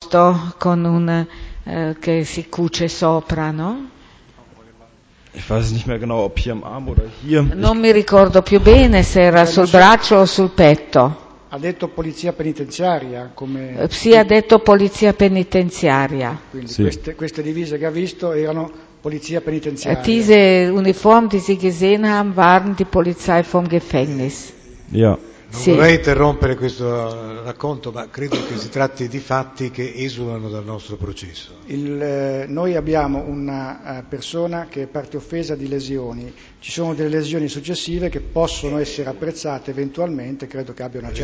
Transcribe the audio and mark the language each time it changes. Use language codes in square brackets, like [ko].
[it] sto con un che si cuce sopra, no? [de] Ich weiß nicht mehr genau, ob hier am Arm oder hier. [it] Non mi ricordo più bene se era sul braccio o sul petto. Ha detto polizia penitenziaria, come. Si è detto polizia penitenziaria. Quindi queste divise che ha visto erano polizia penitenziaria. [de] Diese Uniform, die Sie gesehen haben, waren die Polizei vom Gefängnis. Ja. [it] Non vorrei interrompere questo racconto, ma credo che si tratti di fatti che esulano dal nostro processo. Noi abbiamo una persona che è parte offesa di lesioni. Ci sono delle lesioni successive che possono essere apprezzate eventualmente, credo che abbia una certa